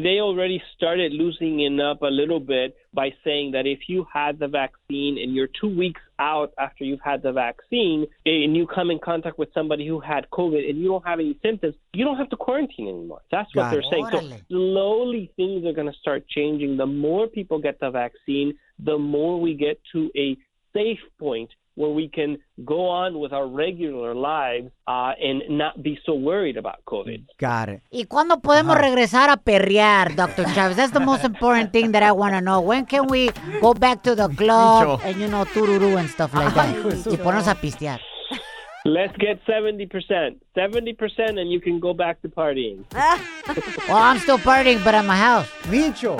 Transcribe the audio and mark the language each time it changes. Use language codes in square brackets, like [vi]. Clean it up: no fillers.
[en] They already started loosening up a little bit by saying that if you had the vaccine and you're 2 weeks out after you've had the vaccine and you come in contact with somebody who had COVID and you don't have any symptoms, you don't have to quarantine anymore. That's what they're saying. So slowly things are going to start changing. The more people get the vaccine, the more we get to a safe point where we can go on with our regular lives and not be so worried about COVID. Got it. [es] ¿Y cuándo podemos regresar a perrear, Dr. Chavez? [en] That's the most important thing that I want to know. When can we go back to the club and, tururu and stuff like that? [es] Y ponernos a pistear. [en] Let's get 70%. 70% and you can go back to partying. Well, I'm still partying, but at my house. Micho.